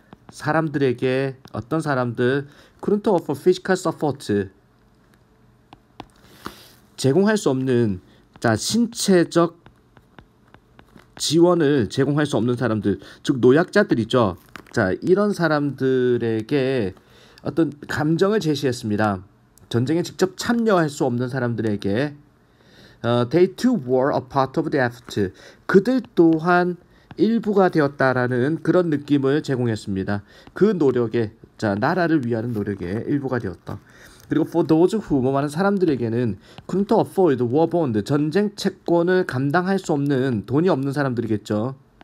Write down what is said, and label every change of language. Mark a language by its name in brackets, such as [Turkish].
[Korean] 사람들에게 어떤 사람들 [English] couldn't offer physical support [Korean] 제공할 수 없는 자 신체적 지원을 제공할 수 없는 사람들, 즉 노약자들이죠. 자, 이런 사람들에게 어떤 감정을 제시했습니다. 전쟁에 직접 참여할 수 없는 사람들에게 [English] They too were a part of the effort. [Korean] 그들 또한 일부가 되었다라는 그런 느낌을 제공했습니다. 그 노력에, 자, 나라를 위한 노력에 일부가 되었다. 그리고 [English] for those who, [Korean] 뭐 많은 사람들에게는 [English] couldn't afford war bond, [Korean] 전쟁 채권을 감당할 수 없는, 돈이 없는 사람들이겠죠.